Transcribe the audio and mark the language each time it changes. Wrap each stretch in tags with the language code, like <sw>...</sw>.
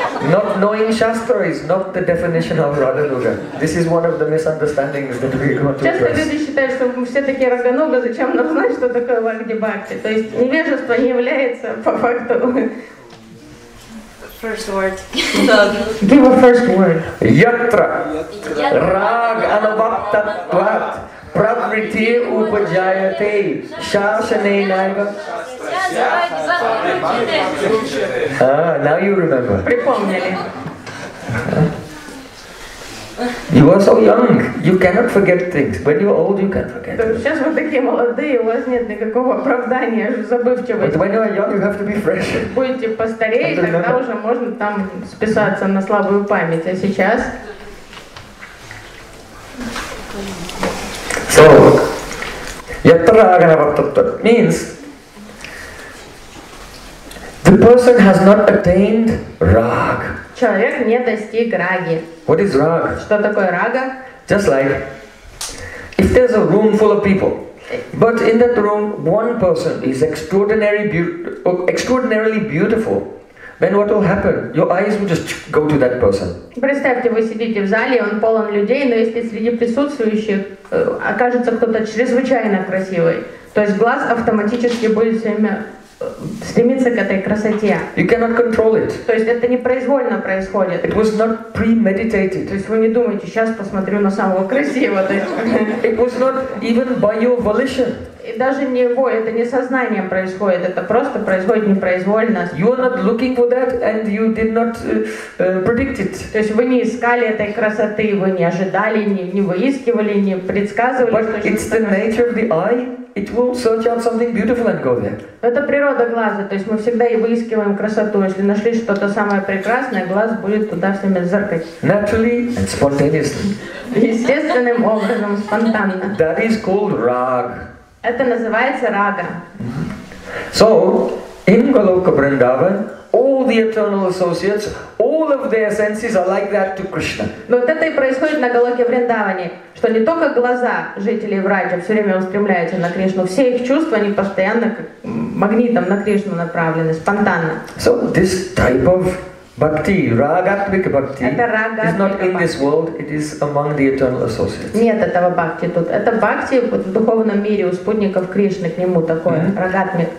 <en>Not knowing Shastra is not the definition of Raganuga. This is one of the misunderstandings that we want to address.</en> <ru>Часто люди считают, что мы все такие Рагануга, зачем нам знать, что такое Vaidhi-Bhakti? То есть невежество не является по факту...</ru> <en>First word. Give a first word.</en> <sa>Yatra. Rag anubhakta tvat pravriti upajayate shasane naiva.</sa> <en>Now you remember. You are so young. You cannot forget things. When you are old, you can forget.</en> <ru>Сейчас вы такие молодые, у вас нет никакого оправдания, забывчивости.</ru> <en>But when you are young, you have to be fresh.</en> <ru>Будете постареть, тогда уже можно там списаться на слабую память. А сейчас?</ru> <en>So,</en> <sa>yatra aganavartattva</sa> <en>means the person has not attained rag.</en> <ru>Человек не достиг раги.</ru> <en>What is rag?</en> <ru>Что такое рага?</ru> <en>Just like if there's a room full of people, but in that room one person is extraordinarily beautiful, then what will happen? Your eyes will just go to that person.</en> <ru>Представьте, вы сидите в зале, он полон людей, но если среди присутствующих окажется кто-то чрезвычайно красивый, то есть глаз автоматически будет все время стремиться к этой красоте.</ru> <en>You cannot control it.</en> <ru>То есть это непроизвольно происходит.</ru> <en>It was not premeditated.</en> <ru>То есть вы не думаете, сейчас посмотрю на самого красивого.</ru> <en>It was not even by your volition.</en> <ru>И даже не воля, это не сознанием происходит, это просто происходит непроизвольно.</ru> <en>You are not looking for that and you did not predict it.</en> <ru>То есть вы не искали этой красоты, вы не ожидали, не выискивали, не предсказывали.</ru> <en>But it's the nature of the eye. It will search out something beautiful and go there.</en> <ru>Это природа глаза, то есть мы всегда и выискиваем красоту. Если нашли что-то самое прекрасное, глаз будет туда все время зыркать.</ru> <en>Naturally and spontaneously.</en> <ru>Естественным образом, спонтанно.</ru> <en>That is called rag.</en> <ru>Это называется рага.</ru> <en>So, in Goloka Vrindavan, all the eternal associates, all of their senses are like that to Krishna.</en> <ru>Но вот это и происходит на Голоке Вриндаване, что не только глаза жителей Враджа все время устремляются на Кришну, все их чувства, они постоянно как магнитом на Кришну направлены, спонтанно.</ru> <en>So this type of bhakti, ragatmika bhakti, is not in this world, it is among the eternal associates.</en> <ru>Нет этого бхакти тут. Это бхакти в духовном мире у спутников Кришны, к нему такое, рагатмик.</ru>